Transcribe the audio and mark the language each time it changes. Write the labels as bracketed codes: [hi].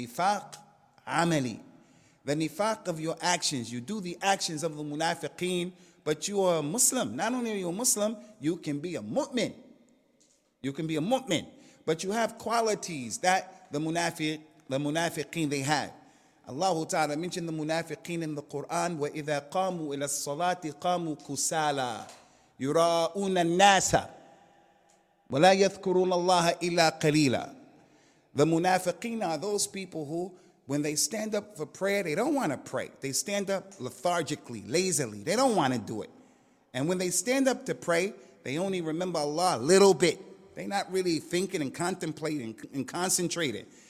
[en] Nifaq amali. The nifaq of your actions. You do the actions of the munafiqeen, but you are a Muslim. Not only are you a Muslim, you can be a mu'min. You can be a mu'min. But you have qualities that the munafiqeen, they have. Allah Ta'ala mentioned the munafiqeen in the Quran, [ar] وَإِذَا قَامُوا إِلَى الصَّلَاةِ قَامُوا كُسَالَى يُرَاءُونَ النَّاسَ وَلَا يَذْكُرُونَ اللَّهَ إِلَّا قَلِيلًا. [en] The munafiqeen are those people who, when they stand up for prayer, they don't want to pray. They stand up lethargically, lazily. They don't want to do it. And when they stand up to pray, they only remember Allah a little bit. They're not really thinking and contemplating and concentrating.